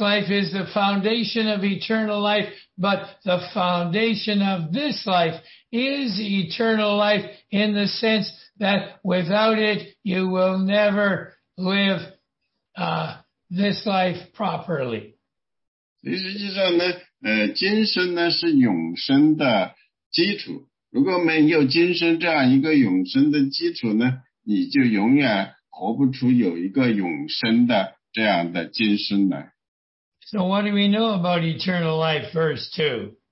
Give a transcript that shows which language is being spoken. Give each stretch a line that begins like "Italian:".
English: life is the foundation of eternal life, but the foundation of this life is eternal life in the sense that without it, you will never live this life properly.
Chinese: 所以实际上呢， 今生呢是永生的基础，如果没有今生这样一个永生的基础呢，你就永远活不出有一个永生的这样的今生来。
English: So what do we know about eternal life, verse 2?